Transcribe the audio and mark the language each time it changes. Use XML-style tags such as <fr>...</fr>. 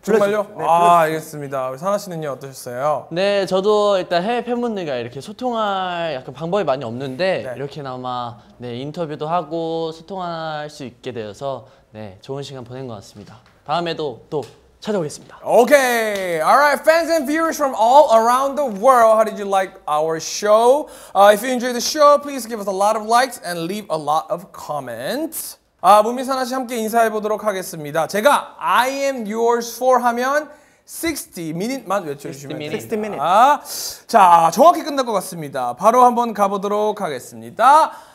<ko>정말요? 네, 아 불러주세요. 알겠습니다. 우리 사나 씨는요 어떠셨어요? 네 저도 일단 해외 팬분들과 이렇게 소통할 약간 방법이 많이 없는데 네. 이렇게나마 네, 인터뷰도 하고 소통할 수 있게 되어서 네, 좋은 시간 보낸 것 같습니다. 다음에도 또 찾아오겠습니다.</ko> <en>Okay, all right, fans and viewers from all around the world, how did you like our show? If you enjoyed the show, please give us a lot of likes and leave a lot of comments.</en> <ko>아, 문빈사나 씨 함께 인사해 보도록 하겠습니다. 제가</ko> <en>I am yours for</en> <ko>하면 60 minutes만 외쳐주시면 돼요.</ko> <en>60 minutes.</en> <ko>자, 정확히 끝날 것 같습니다. 바로 한번 가보도록 하겠습니다.</ko>